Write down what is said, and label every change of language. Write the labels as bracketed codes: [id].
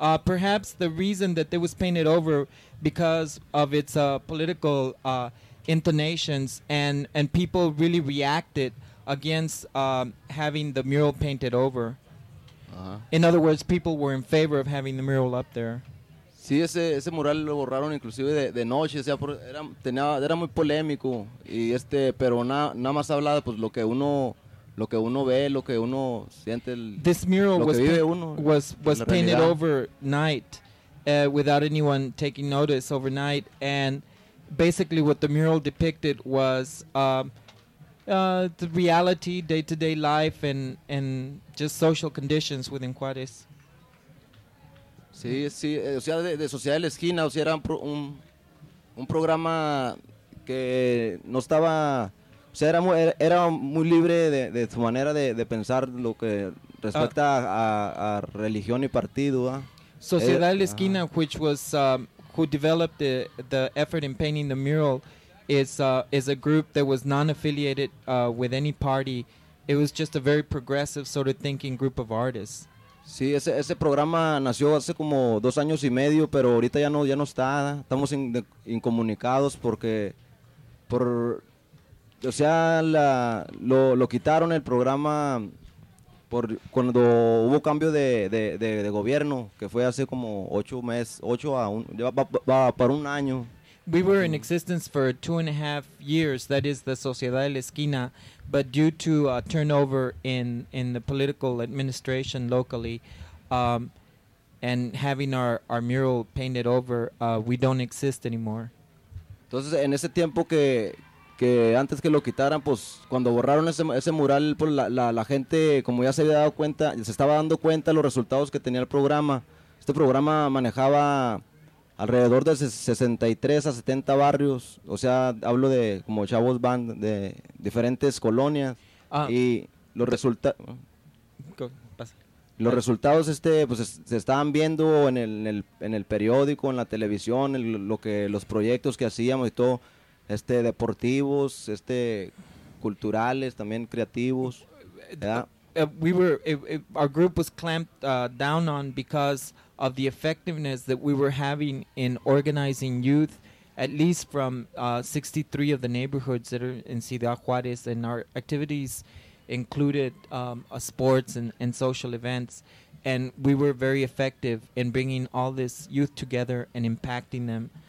[en] Perhaps the reason that it was painted over because of its political intonations, and people really reacted against having the mural painted over. In other words, people were in favor of having the mural up there. [es] Sí, ese mural lo borraron inclusive de noche, o sea, era muy polémico, y pero nada más hablaba pues lo que uno ve, lo que uno siente, [en] this mural [es] lo [en] was [es] que vive uno, [en] was painted overnight without anyone taking notice overnight, and basically what the mural depicted was the reality, day-to-day life, and just social conditions within Juárez. [es] Sí, sí, o sea, de Sociedad de la Esquina, o sea, era un programa que no estaba, o sea, era muy libre de su manera de pensar lo que respecta a religión y partido. [en] Sociedad de la Esquina, which was who developed the effort in painting the mural, is a group that was non-affiliated with any party. It was just a very progressive sort of thinking group of artists. [es] Sí, ese programa nació hace como 2 años y medio, pero ahorita ya no está. Estamos incomunicados porque lo quitaron el programa cuando hubo cambio de gobierno, que fue hace como 8 meses, para un año. [en] We were in existence for 2.5 years, that is the Sociedad de la Esquina, but due to a turnover in the political administration locally, and having our mural painted over, we don't exist anymore. [es] Entonces, en ese tiempo que antes que lo quitaran, pues cuando borraron ese mural, pues la gente, como ya se había dado cuenta, se estaba dando cuenta de los resultados que tenía el programa. Este programa manejaba alrededor de 63 a 70 barrios, o sea, hablo de como chavos van de diferentes colonias, y los resultados pues se estaban viendo en el periódico, en la televisión, los proyectos que hacíamos y todo, deportivos, culturales, también creativos, ¿verdad? [en] Our group was clamped down on because of the effectiveness that we were having in organizing youth, at least from 63 of the neighborhoods that are in Ciudad Juárez, and our activities included sports and social events, and we were very effective in bringing all this youth together and impacting them.